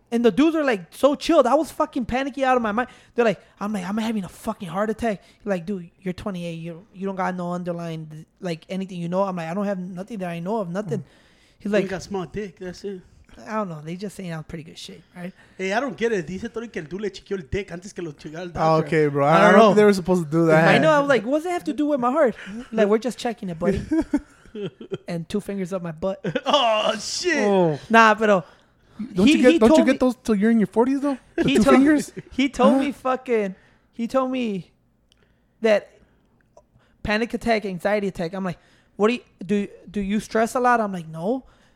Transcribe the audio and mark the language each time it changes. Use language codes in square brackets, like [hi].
[en] And the dudes are like so chilled. I was fucking panicky out of my mind. They're like, I'm having a fucking heart attack. You're like, dude, you're 28. You don't got no underlying like anything. You know, I'm like, I don't have nothing that I know of. Nothing. He's like, you got small dick. That's it. I don't know. They just saying I'm pretty good shape, right? Hey, I don't get it. [es] Dice todo que el dude le chequeó el dick antes que lo chequeó el [en] doctor. Okay, bro. I don't know. They were supposed to do that. I know. I was like, what does that have to do with my heart? Like, we're just checking it, buddy. And two fingers up my butt. Oh shit. Oh. Nah, pero. Don't you get those till you're in your 40s though? The two fingers. He told me fucking. He told me that panic attack, anxiety attack. I'm like, what do you stress a lot? I'm like, no.